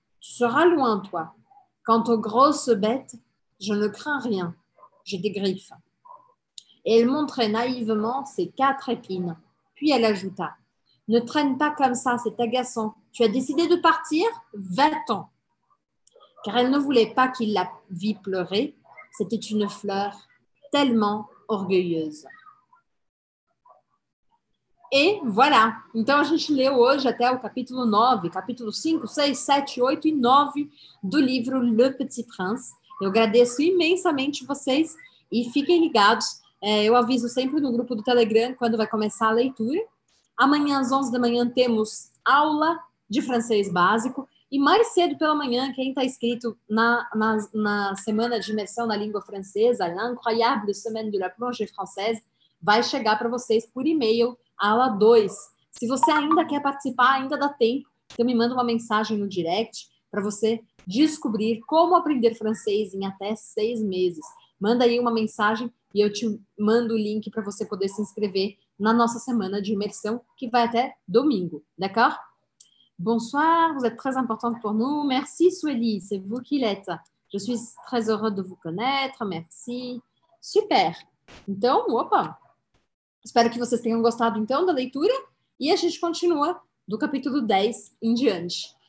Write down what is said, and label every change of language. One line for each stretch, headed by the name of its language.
French: Tu seras loin, toi. Quant aux grosses bêtes, je ne crains rien, j'ai des griffes. » Et elle montrait naïvement ses quatre épines. Puis elle ajouta, « Ne traîne pas comme ça, c'est agaçant. Tu as décidé de partir? Va-t'en. » Car elle ne voulait pas qu'il la vît pleurer. C'était une fleur tellement orgueilleuse. Et voilà.
Portuguese: Então a gente leu hoje até o capítulo 9, capítulo 5, 6, 7, 8 e 9 do livro Le Petit Prince. Eu agradeço imensamente vocês e fiquem ligados. Eu aviso sempre no grupo do Telegram quando vai começar a leitura. Amanhã às 11 da manhã temos aula de francês básico e mais cedo pela manhã, quem está inscrito na semana de imersão na língua francesa,
French: l'incroyable semaine de la plongée française,
Portuguese: vai chegar para vocês por e-mail aula 2. Se você ainda quer participar, ainda dá tempo, então me manda uma mensagem no direct para você descobrir como aprender francês em até 6 meses. Manda aí uma mensagem e eu te mando o link para você poder se inscrever na nossa semana de imersão, que vai até domingo, d'accord?
French: Bonsoir, vous êtes très importante pour nous. Merci, Sueli, c'est vous qui l'êtes. Je suis très heureux de vous connaître, merci.
Portuguese: Super! Então, opa! Espero que vocês tenham gostado, então, da leitura e a gente continua do capítulo 10 em diante.